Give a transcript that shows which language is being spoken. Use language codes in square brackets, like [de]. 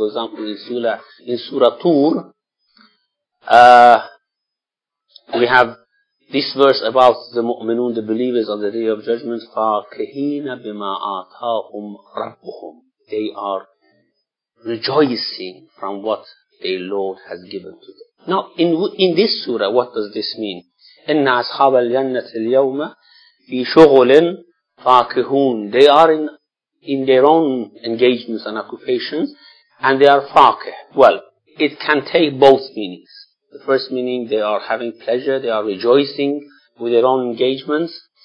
[en] For example, in Surah Tur, we have this verse about the mu'minun, the believers on the Day of Judgment, [ar] faqihina bima ataahum rabbuhum. [en] They are rejoicing from what their Lord has given to them. Now, in this surah, what does this mean? [ar] إن أصحاب الجنة اليوم في شغل فاكهون. [en] They are in their own engagements and occupations, and they are فاكه. Well, it can take both meanings. The first meaning, they are having pleasure, they are rejoicing with their own engagements.